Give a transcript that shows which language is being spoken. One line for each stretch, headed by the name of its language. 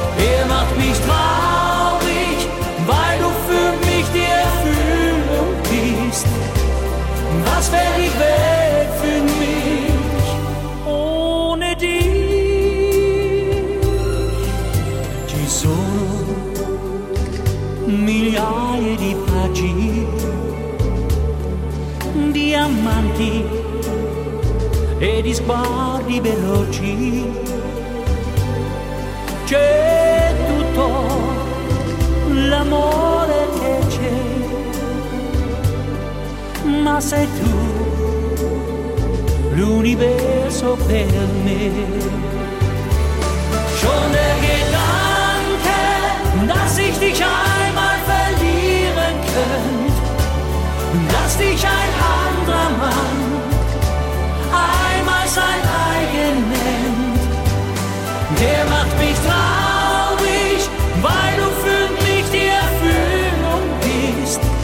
German: Er macht mich traurig, weil du für mich die Erfüllung bist. Was wär die Welt für mich ohne dich?
Italian: Ci sono migliaia di pagine, diamanti e di sguardi veloci. C'è tutto l'amore che c'è, ma sei tu l'universo per me.
German: Schon der Gedanke, dass ich dich einmal verlieren könnte, dass dich ein anderer Mann sein eigen nennt, der macht mich traurig, weil du für mich die Erfüllung bist.